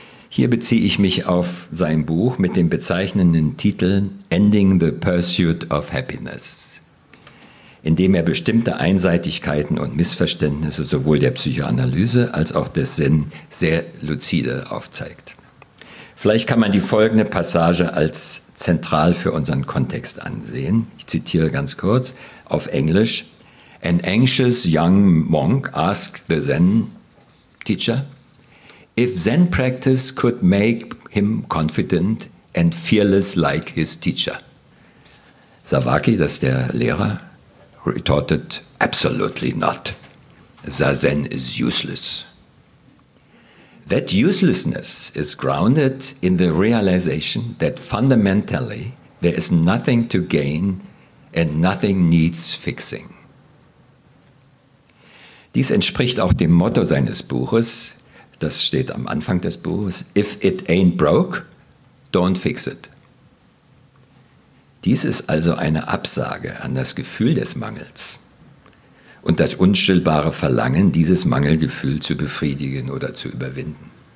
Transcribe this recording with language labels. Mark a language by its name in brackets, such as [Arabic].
[German] Hier beziehe ich mich auf sein Buch mit dem bezeichnenden Titel Ending the Pursuit of Happiness, in dem er bestimmte Einseitigkeiten und Missverständnisse sowohl der Psychoanalyse als auch des Zen sehr luzide aufzeigt. Vielleicht kann man die folgende Passage als zentral für unseren Kontext ansehen. Ich zitiere ganz kurz auf Englisch. [English] An anxious young monk asked the Zen teacher, if Zen practice could make him confident and fearless like his teacher. Savaki, [German] das ist der Lehrer, [English] retorted, absolutely not. Zazen is useless. That uselessness is grounded in the realization that fundamentally there is nothing to gain and nothing needs fixing. [German] Dies entspricht auch dem Motto seines Buches, das steht am Anfang des Buches, [English] if it ain't broke, don't fix it. [German] Dies ist also eine Absage an das Gefühl des Mangels und das unstillbare Verlangen, dieses Mangelgefühl zu befriedigen oder zu überwinden.